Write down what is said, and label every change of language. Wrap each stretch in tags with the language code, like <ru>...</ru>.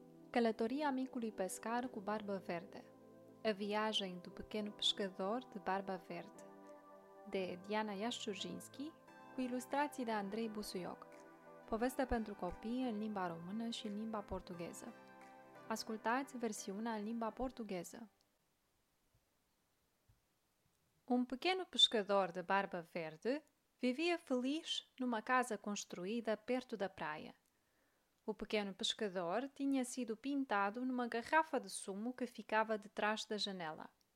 <ro>Călătoria micului pescar cu barbă verde.</ro> <pt>A viagem do pequeno pescador de barba verde.</pt> <ro>De Diana Iașciurzinski, cu ilustrații de Andrei Busuioc. Poveste pentru copii în limba română și în limba portugheză. Ascultați versiunea în limba portugheză.</ro> <pt>Um pequeno pescador de barba verde vivia feliz numa casa construída perto da praia. O pequeno pescador tinha sido pintado numa garrafa de sumo que ficava detrás da janela.</pt>